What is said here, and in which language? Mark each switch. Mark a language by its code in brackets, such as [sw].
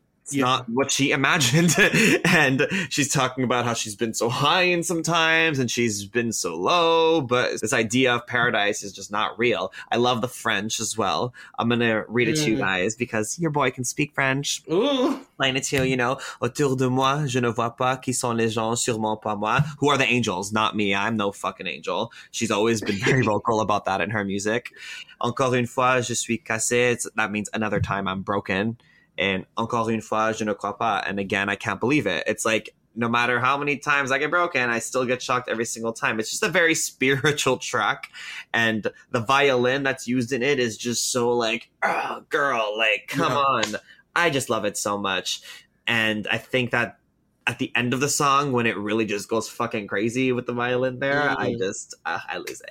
[en] It's not what she imagined. And she's talking about how she's been so high in some times and she's been so low, but this idea of paradise is just not real. I love the French as well. I'm going to read it to you guys because your boy can speak French. Explain it to you, you know. [fr] Autour de moi, je ne vois pas qui sont les gens, sûrement pas moi. [en] Who are the angels? Not me. I'm no fucking angel. She's always been very vocal about that in her music. [fr] Encore une fois, je suis cassé. [en] That means another time I'm broken. [fr] And encore une fois, je ne crois pas. [en] And again, I can't believe it. It's like, no matter how many times I get broken, I still get shocked every single time. It's just a very spiritual track. And the violin that's used in it is just so like, oh, girl, like, come on. I just love it so much. And I think that at the end of the song, when it really just goes fucking crazy with the violin there, I lose it.